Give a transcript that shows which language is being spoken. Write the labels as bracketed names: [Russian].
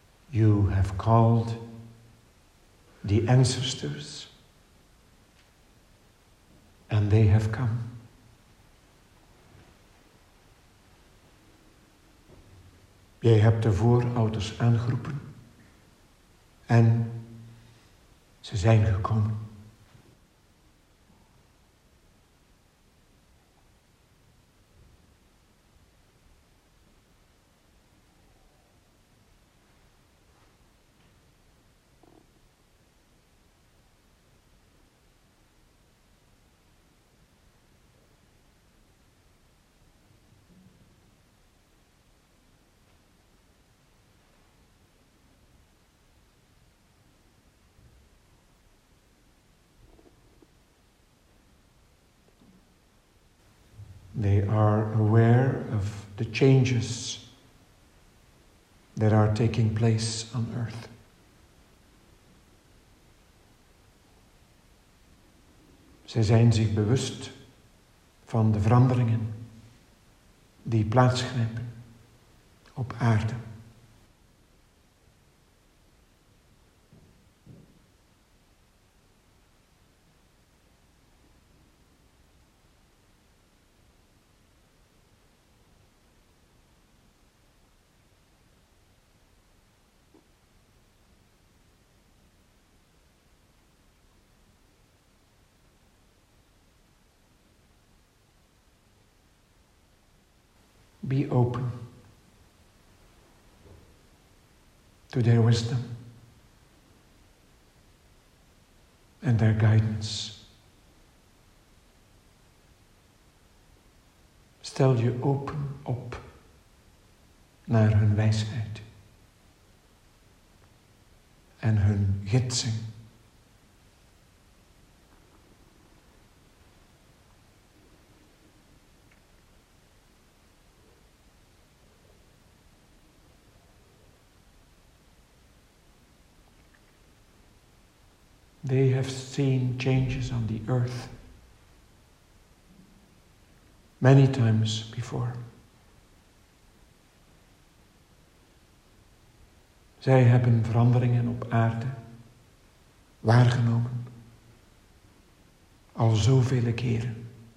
[English] You have called the ancestors, and they have come. [Dutch] Jij hebt de voorouders aangeroepen, en ze zijn gekomen. [English] They are aware of the changes that are taking place on Earth. [Dutch] Ze zijn zich bewust van de veranderingen die plaatsgrijpen op aarde. [English] be open to their wisdom and their guidance. [Dutch] Stel je open op naar hun wijsheid en hun gidsing. [English] They have seen changes on the earth many times before. [Dutch] Zij hebben veranderingen op aarde waargenomen al zoveel keren.